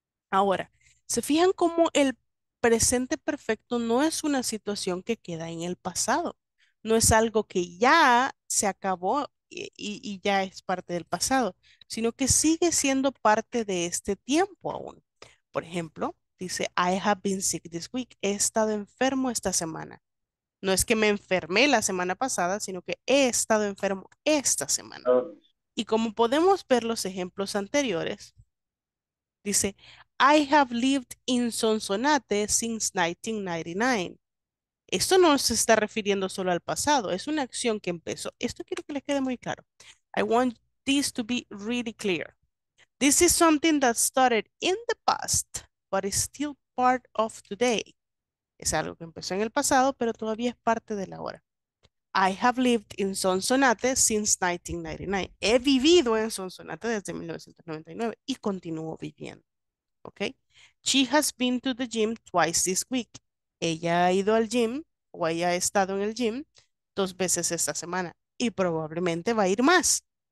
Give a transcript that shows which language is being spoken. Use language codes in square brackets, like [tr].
[es] Ahora, ¿se fijan cómo el presente perfecto no es una situación que queda en el pasado? No es algo que ya se acabó y ya es parte del pasado, sino que sigue siendo parte de este tiempo aún. Por ejemplo, dice, [en] I have been sick this week. [es] He estado enfermo esta semana. No es que me enfermé la semana pasada, sino que he estado enfermo esta semana. Y como podemos ver los ejemplos anteriores, dice, [en] I have lived in Sonsonate since 1999. [es] Esto no se está refiriendo solo al pasado. Es una acción que empezó. Esto quiero que les quede muy claro. [en] I want this to be really clear. This is something that started in the past, but is still part of today. [es] Es algo que empezó en el pasado, pero todavía es parte de la hora. [en] I have lived in Sonsonate since 1999. [es] He vivido en Sonsonate desde 1999 y continúo viviendo. [en] Okay. She has been to the gym twice this week. [es] Ella ha ido al gym o ella ha estado en el gym dos veces esta semana y probablemente va a ir más.